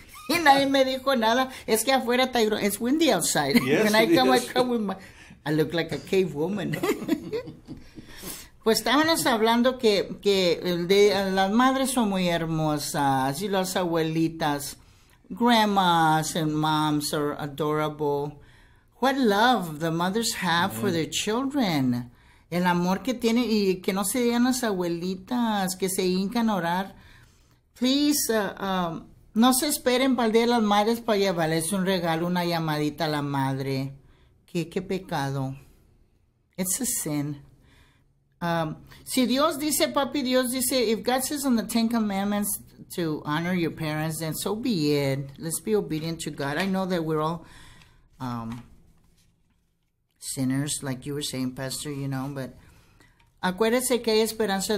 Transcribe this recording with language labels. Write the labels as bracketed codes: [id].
[es] Y nadie me dijo nada. Es que afuera está... [en] It's windy outside. Yes, when I come with my... I look like a cave woman. [es] Pues estábamos hablando que las madres son muy hermosas y las abuelitas. [en] grandmas and moms are adorable. What love the mothers have for their children. [es] El amor que tiene, y que no se digan las abuelitas que se hincan a orar. Please, no se esperen para el día de las madres para llevarles un regalo, una llamadita a la madre. Qué pecado. [en] It's a sin. [es] Si Dios dice, papi, Dios dice, [en] if God says on the Ten Commandments to honor your parents, then so be it. Let's be obedient to God. I know that we're all sinners, like you were saying, Pastor, you know, but [es] acuérdese que hay esperanza.